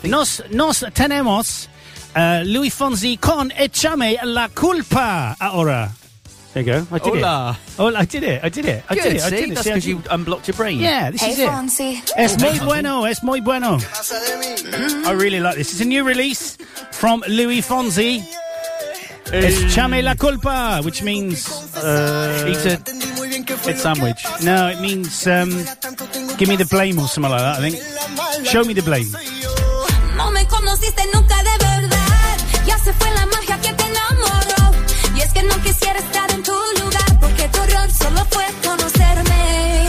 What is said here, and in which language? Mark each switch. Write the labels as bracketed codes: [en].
[es] Nos tenemos Luis Fonsi con Échame la Culpa ahora. [en] There you go. I did [es] Hola. [en] It. [es] Hola. [en] Oh, I did it. See, that's because you unblocked your brain. Yeah, this hey, is Fonsi. It. [es] Es muy bueno. [en] I really like this. It's a new release from Luis Fonsi. Échame la Culpa, which means... eat a... Hit sandwich. No, it means give me the blame or something like that, I think. Show me the blame. [es] No me conociste nunca de verdad. Ya se fue la magia que te enamoró. Y es que no quisiera estar en tu lugar. Porque tu error solo fue conocerme.